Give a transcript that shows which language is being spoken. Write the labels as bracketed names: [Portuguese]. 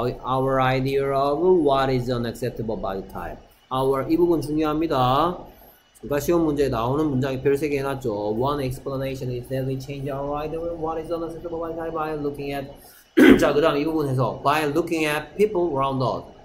[English] Our idea of what is an acceptable body type. [Korean] Our 이 부분 중요합니다. 누가 시험 문제에 나오는 문장이 별세 개 해놨죠. [English] One explanation is that we change our idea of what is an acceptable body type by looking at [Korean] 자, 그 다음 이 부분에서 [English] by looking at people around us.